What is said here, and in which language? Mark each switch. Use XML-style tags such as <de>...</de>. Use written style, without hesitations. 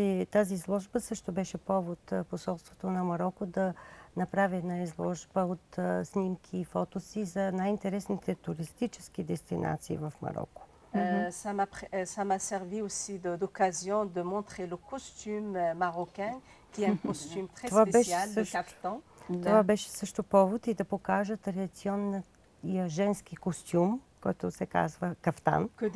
<bg>Тази изложба също беше повод посолството на Марокко да направи една изложба от снимки и фотоси за най-интересните туристически дестинации в Марокко.</bg> <fr>Ça m'a servi aussi d'occasion de montrer le costume marocain, qui est un costume très spécial, le caftan.</fr> <bg>Това беше също повод и да покажа и женски костюм, който се казва кафтан.</bg>